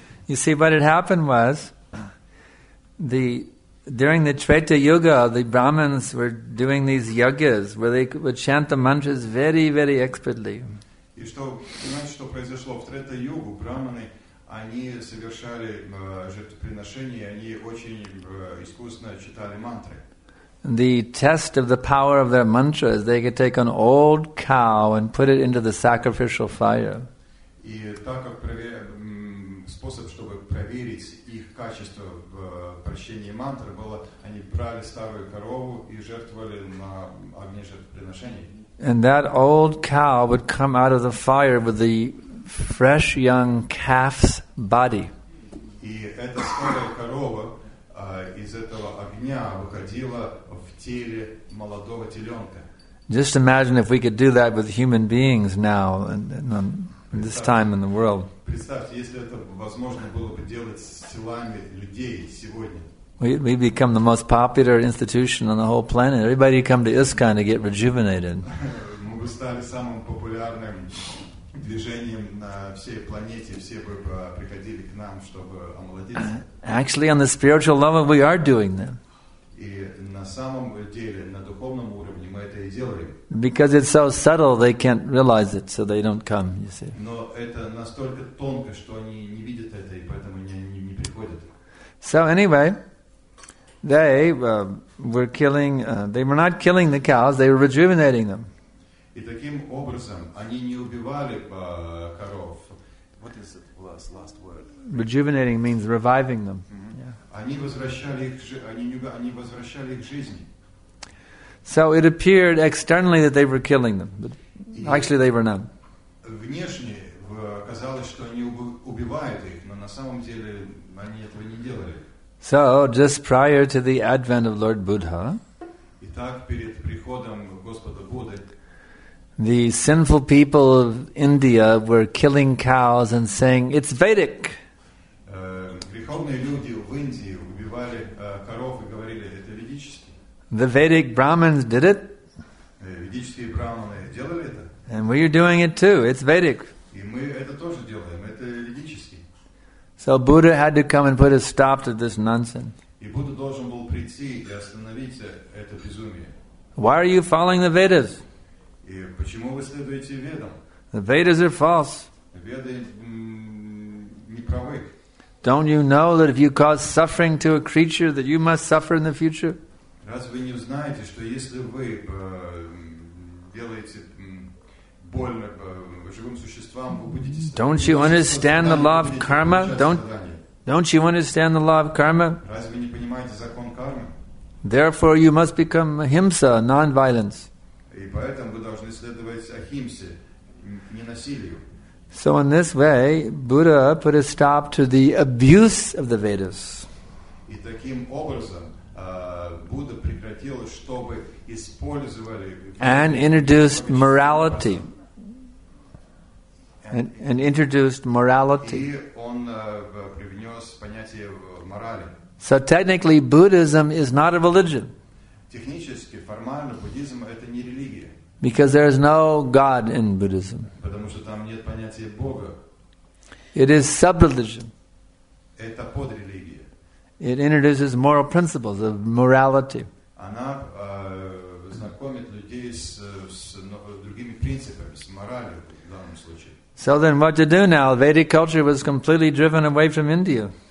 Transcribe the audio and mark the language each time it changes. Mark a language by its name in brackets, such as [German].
[English] You see, what had happened was during the Treta Yuga, the Brahmins were doing these yagyas where they would chant the mantras very, very expertly. [Russian] И что, понимаете, что произошло в Трета Югу, Брахманы они совершали жертвоприношения, они очень искусно читали мантры. [English] The test of the power of their mantra is they could take an old cow and put it into the sacrificial fire. [Russian] И так как способ, чтобы проверить их качество в прощении мантры, было, они брали старую корову и жертвовали на огне жертвоприношений. [English] And that old cow would come out of the fire with the fresh young calf's body. [Russian] И эта старая корова из этого огня выходила в теле молодого теленка. [English] Just imagine if we could do that with human beings now and this time in the world. [Russian] Представьте, если это возможно было бы делать с телами людей сегодня. [English] We become the most popular institution on the whole planet. Everybody come to ISKCON to get rejuvenated. [Russian] Мы бы стали самым популярным движением на всей планете, все бы приходили к нам, чтобы омолодиться. [English] Actually, on the spiritual level, we are doing that. [Russian] И на самом деле, на духовном уровне, мы это и делаем. [English] Because it's so subtle, they can't realize it, so they don't come, you see. [Russian] Но это настолько тонко, что они не видят это, и поэтому они не приходят. [English] So anyway, they were killing, they were not killing the cows, they were rejuvenating them. [Russian] И таким образом они не убивали коров. [English] What is the last word? Rejuvenating means reviving them. [Russian] Они возвращали их, они возвращали их жизни. [English] So it appeared externally that they were killing them, but actually they were not. [Russian] Внешне казалось, что они убивают их, но на самом деле они этого не делали. [English] So just prior to the advent of Lord Buddha, [Russian] итак, перед приходом Господа Будды, [English] the sinful people of India were killing cows and saying, "It's Vedic." [Russian] Греховные люди в Индии убивали коров и говорили, это ведически. [English] The Vedic Brahmins did it. [Russian] Ведические брахманы делали это. [English] And we are doing it too. It's Vedic. [Russian] И мы это тоже делаем. Это ведически. [English] So Buddha had to come and put a stop to this nonsense. [Russian] И Будда должен был прийти и остановить это безумие. [English] Why are you following the Vedas? [Russian] И почему вы следуете Ведам? [English] The Vedas are false. [Russian] Веды не правы. [English] Don't you know that if you cause suffering to a creature, that you must suffer in the future? [Russian] Разве вы не знаете, что если вы делаете больно живым существам, вы будете страдать? [English] Don't you understand the law of karma? Don't you understand the law of karma? [Russian] Разве вы не понимаете закон кармы? [English] Therefore, you must become ahimsa, non-violence. [Russian] И поэтому вы должны следовать ахимсе, ненасилию. [English] So in this way, Buddha put a stop to the abuse of the Vedas. [Russian] И таким образом, Будда прекратил, чтобы использовали [English] and introduced morality. And introduced morality. [Russian] И он привнес понятие морали. [English] So technically, Buddhism is not a religion. [Russian] Технически, формально, буддизм – это не религия. [English] Because there is no God in Buddhism. [Russian] Потому что там нет понятия Бога. [English] It is sub-religion. [Russian] Это подрелигия. [English] It introduces moral principles of morality. [Russian] Она знакомит людей с другими принципами, с моралью в данном случае. [English] So then what to do now? Vedic culture was completely driven away from India.